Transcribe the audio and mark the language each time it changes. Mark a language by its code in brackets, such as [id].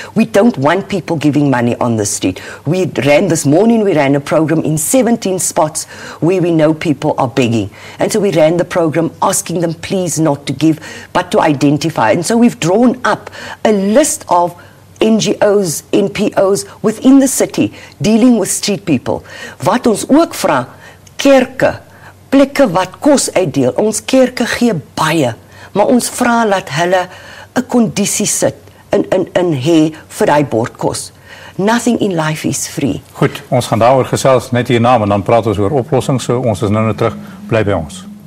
[en] We don't want people giving money on the street. We ran a program in 17 spots where we know people are begging. And so we ran the program asking them please not to give, but to identify. And so we've drawn up a list of NGOs, NPOs within the city dealing with street people. [af] Wat ons ook vra, kerke, plekke wat kos uitdeel. Ons kerke gee baie, maar ons vra dat hulle 'n kondisie sit in hê vir daai bordkos. [en] Nothing in life is free. [af] Goed, ons gaan daaroor gesels net hierna en dan praat ons oor oplossings. So ons is nou terug, bly by ons.